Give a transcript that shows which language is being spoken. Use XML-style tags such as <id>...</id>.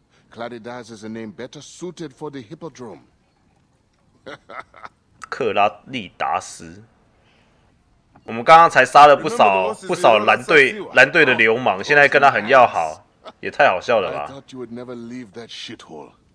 <en>Claridas is a name better suited for the hippodrome.</en> <zh>克拉利达斯，我们刚刚才杀了不少蓝队的流氓，现在跟他很要好。也太好笑了吧！</zh> <en>I thought you would never leave that shithole.</en>